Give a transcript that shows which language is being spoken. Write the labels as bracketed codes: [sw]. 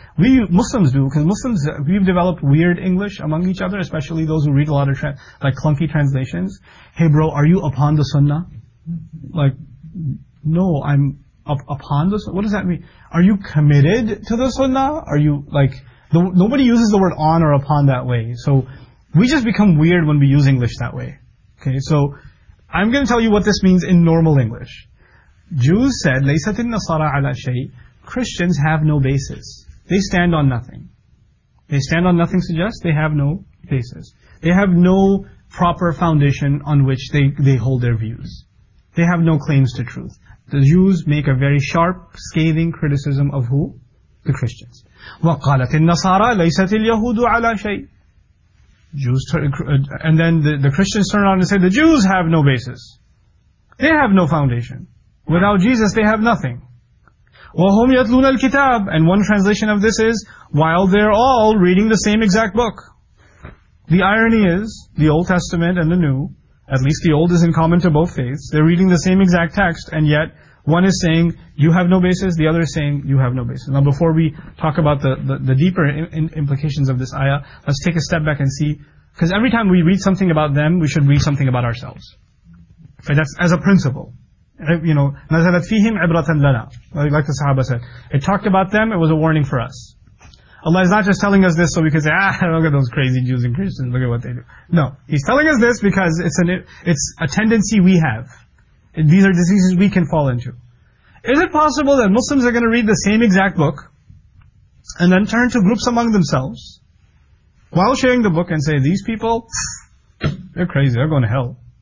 [en] We Muslims do, because Muslims, we've developed weird English among each other, especially those who read a lot of like clunky translations. Hey bro, are you upon the sunnah? Like, no, I'm upon the sunnah? What does that mean? Are you committed to the sunnah? Are you like, nobody uses the word on or upon that way. So we just become weird when we use English that way. Okay, so I'm going to tell you what this means in normal English. Jews said, [ar] لَيْسَتْ النَّصَارَىٰ عَلَىٰ شَيْءٍ. [en] Christians have no basis. They stand on nothing. They stand on nothing suggests they have no basis. They have no proper foundation on which they hold their views. They have no claims to truth. The Jews make a very sharp, scathing criticism of who? The Christians. [ar] وَقَالَتِ النَّصَارَىٰ لَيْسَتِ الْيَهُودُ عَلَىٰ شَيْءٍ. [en] Jews and then the Christians turn around and say, the Jews have no basis. They have no foundation. Without Jesus, they have nothing. [ar] وَهُمْ يَتْلُونَ الْكِتَابِ. [en] And one translation of this is, while they're all reading the same exact book. The irony is, the Old Testament and the New, at least the Old is in common to both faiths, they're reading the same exact text, and yet one is saying, you have no basis, the other is saying, you have no basis. Now before we talk about the deeper implications of this ayah, let's take a step back and see, because every time we read something about them, we should read something about ourselves. Okay, that's as a principle. You know, [ar] نَزَلَتْ فِيهِمْ عِبْرَةً لَنَا. [en] Like the Sahaba said, it talked about them, it was a warning for us. Allah is not just telling us this so we can say, ah, look at those crazy Jews and Christians, look at what they do. No, He's telling us this because it's a tendency we have. These are diseases we can fall into. Is it possible that Muslims are going to read the same exact book and then turn to groups among themselves while sharing the book and say, these people, they're crazy, they're going to hell.